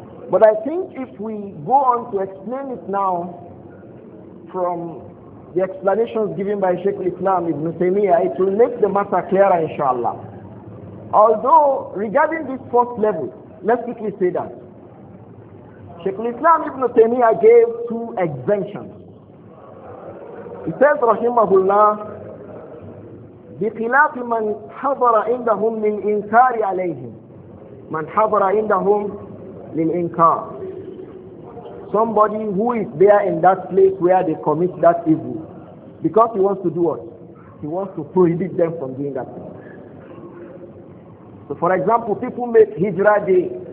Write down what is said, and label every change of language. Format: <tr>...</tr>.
<en>But I think if we go on to explain it now from the explanations given by Sheikh Islam Ibn Taymiyyah, it will make the matter clearer, inshallah. Although, regarding this first level, let's quickly say that. Sheikh Islam Ibn Taymiyyah gave two exemptions. He says,</en> <ar>Rahimahullah, بخلاف من حضر عندهم للإنكار عليهم. من حضر عندهم للإنكار.</ar> <en>Somebody who is there in that place where they commit that evil. Because he wants to do what? He wants to prohibit them from doing that thing. So for example, people make Hijrah Day.</en>